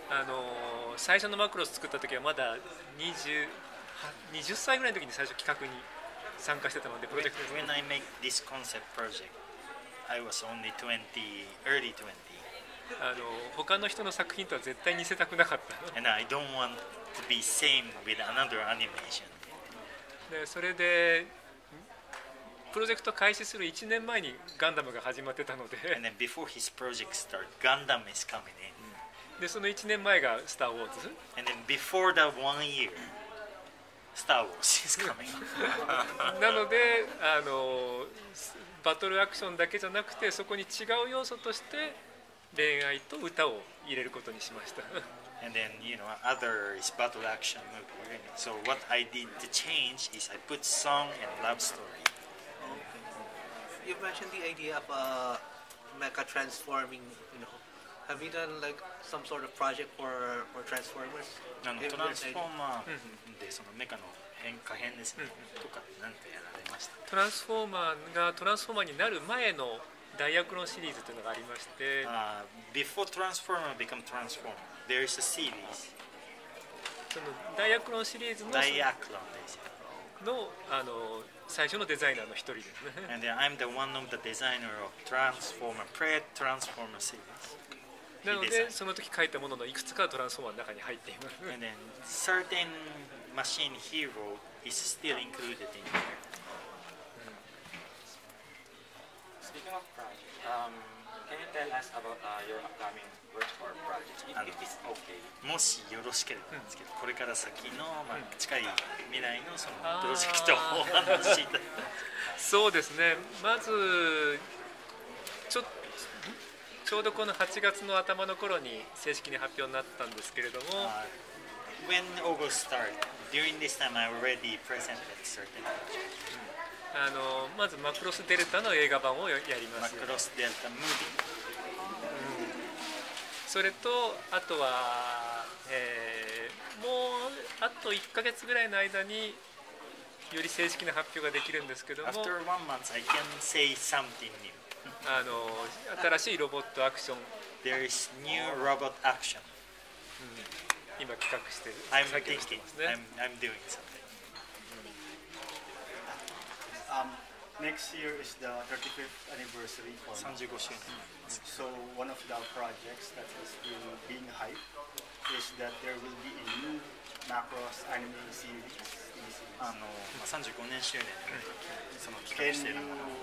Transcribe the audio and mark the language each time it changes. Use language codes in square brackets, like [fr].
[ja] あの、最初のマクロス作った時はまだ20歳ぐらいの時に最初企画に参加してたので、 [en] プロジェクト。When I make this concept project. I was only 20, early 20. [ja] あの他の人の作品とは絶対似せたくなかった。 [en] And I don't want to be same with another animation. [ja] でそれでプロジェクト開始する1年前にガンダムが始まってたので。 [en] And then before his project start, Gundam is coming in. [ja] でその1年前がスターウォーズ。 [en] And then before that one year, Star Wars is coming. [ja] なのであの。バトルアクションだけじゃなくて、そこに違う要素として恋愛と歌を入れることにしました。 [en] And then you know, other is battle action movie. So what I did to change is I put song and love story. Okay. You mentioned the idea of a mecha transforming. You know, have you done like some sort of project for Transformers? [ja] あのトランスフォーマーでそのメカの変化編ですね、うん、とかなんてやられました。トランスフォーマーがトランスフォーマーになる前のダイアクロンシリーズというのがありまして、 [en] Before Transformer become Transformer, there is a series. [ja] そのダイアクロンシリーズのダイアクロンですの、あの最初のデザイナーの一人ですね。 [en] And then I'm the one of the designer of Transformer, pre-Transformer series. [ja] なのでその時書いたもののいくつかトランスフォーマーの中に入っています。 [en] And then certain machine hero is still included in there. Speaking of project, can you tell us about your upcoming work or project? If it's okay. [ja] もしよろしければですけど、これから先の、まあ、近い未来のそのプロジェクトをお話しいただきます。そうですね。まずちょうどこの8月の頭の頃に正式に発表になったんですけれども、 [en] When August start, during this time I already presented certain. [ja] まずマクロスデルタの映画版をやります。マクロスデルタムービー。それとあとは、もうあと1ヶ月ぐらいの間により正式な発表ができるんですけども、 [en] After one month I can say something new. [ja] 新しいロボットアクション。 [en] There is new robot action. [ja] 今企画してる。 [en] I'm thinking. I'm doing something. Next year is the 35th anniversary. [ja] 35周年。 [en] So one of the projects that has been being hyped is that there will be a new Macross anime series. [ja] 35年周年その企画してるもの。